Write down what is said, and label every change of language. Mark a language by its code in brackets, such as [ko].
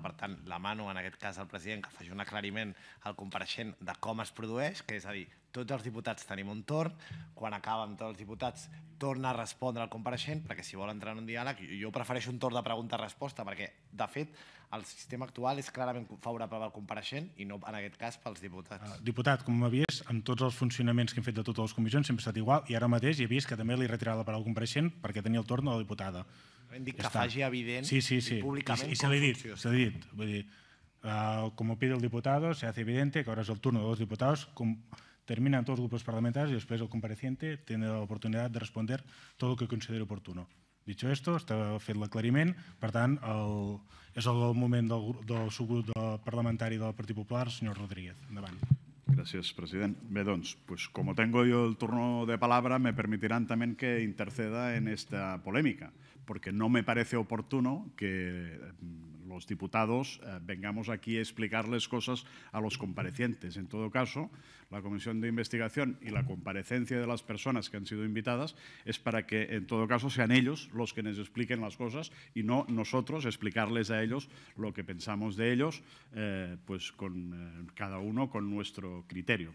[ca] Per tant, demano en aquest cas al president que faci un aclariment al compareixent de com es produeix, que és a dir, tots els diputats tenim un torn, quan acaben tots els diputats torna a respondre al compareixent, perquè si vol entrar en un diàleg, jo prefereixo un torn de pregunta-resposta, perquè de fet el sistema actual és clarament favorable pel compareixent i no en aquest cas pels diputats. Diputat, com m'ha vist, amb tots els funcionaments que hem fet de totes les comissions sempre ha estat igual i ara mateix he vist que també li he retirat la paraula al compareixent perquè tenia el torn de la diputada. Hem dit ja que està. Faci evident sí. I públicament i com funciona. S'ha dit. Vull dir, com ho [es] pide el diputado, se hace evidente que ahora es el turno de los diputados, com terminan todos los grupos parlamentarios y después el compareciente tiene la oportunidad de responder todo lo que considere oportuno. Dicho esto, está [ca] fet l'aclariment, per tant, és el moment del subgrup parlamentari del Partit Popular, senyor Rodríguez, endavant. [es] Gracias, president. [ca] Bé, doncs, [es] pues, como tengo yo el turno de palabra, me permitirán también que interceda en esta polémica, porque no me parece oportuno que los diputados vengamos aquí a explicarles cosas a los comparecientes. En todo caso, la comisión de investigación y la comparecencia de las personas que han sido invitadas es para que, en todo caso, sean ellos los que nos expliquen las cosas y no nosotros explicarles a ellos lo que pensamos de ellos, pues con cada uno con nuestro criterio.